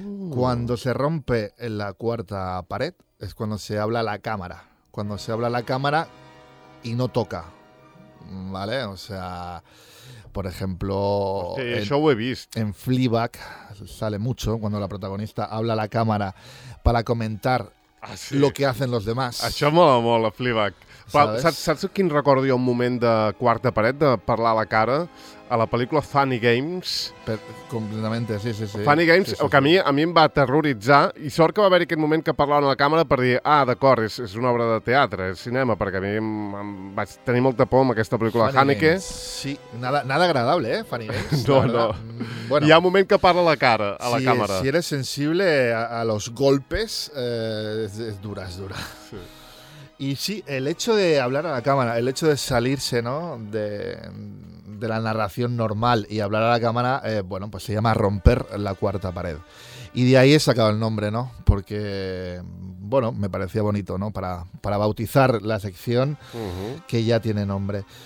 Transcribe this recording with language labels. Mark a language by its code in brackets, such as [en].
[es] Cuando se rompe la cuarta pared es cuando se habla a la cámara. Cuando se habla a la cámara y no toca, ¿vale? O sea... Por ejemplo, eso he visto. En Fleabag sale mucho cuando la protagonista habla a la cámara para comentar lo que hacen los demás. [ca] Això mola molt, a Fleabag. Saps quin record jo un moment de quarta paret de parlar a la cara? A la pel·lícula Funny Games. Completament, sí. Funny Games, sí. A mi em va aterroritzar, i sort que va haver-hi aquest moment que parlava a la càmera per dir, ah, d'acord, és una obra de teatre, és cinema, perquè a mi em vaig tenir molta por amb aquesta pel·lícula de Haneke. [es] Sí, nada agradable, Funny Games. [ca] No. Bueno, hi ha un moment que parla a la cara, a la càmera. [es] Si eres sensible a los golpes, [ca] és dura. [es] Sí. Y sí, el hecho de hablar a la cámara, el hecho de salirse, ¿no?, de la narración normal y hablar a la cámara, bueno, pues se llama romper la cuarta pared. Y de ahí he sacado el nombre, ¿no? Porque, bueno, me parecía bonito, ¿no? Para bautizar la sección, que ya tiene nombre.